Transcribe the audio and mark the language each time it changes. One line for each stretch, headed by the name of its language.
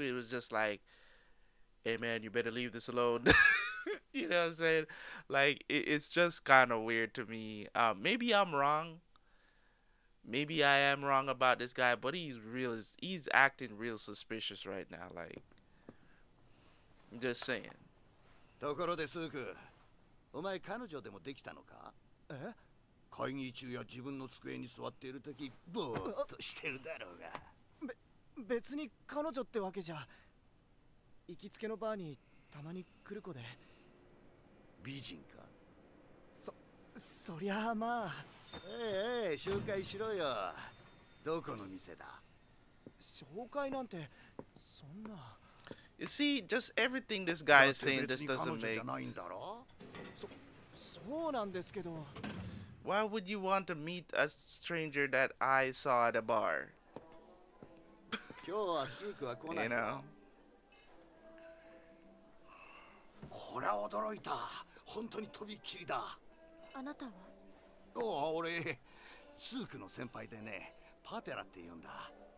English: It was just like, hey man, you better leave this alone. You know what I'm saying? Like, it's just kind of weird to me. Maybe I'm wrong. Maybe I am wrong about this guy, but he's acting real suspicious right now, like, I'm just saying.
Japanese: ところで、スーク、お前彼女でもできたのか？え？会議中や自分の机に座っている時、ぼーっとしてるだろうが。別に彼女ってわけじゃ。行きつけのバーにたまに来る子で。美人か？そりゃあまあ。ええ、紹介しろよ。どこの店だ？紹介なんて、そんな。
English: You see, just everything this guy is saying just doesn't make.
Japanese: じゃないんだろ？そうなんですけど。
English: Why would you want to meet a stranger that I saw at a bar?
Japanese: 今日はスークは来ないの？こりゃ驚いた。本当にとびっきりだ。あなたは？おお、俺、スークの先輩でね、パテラって言うんだ。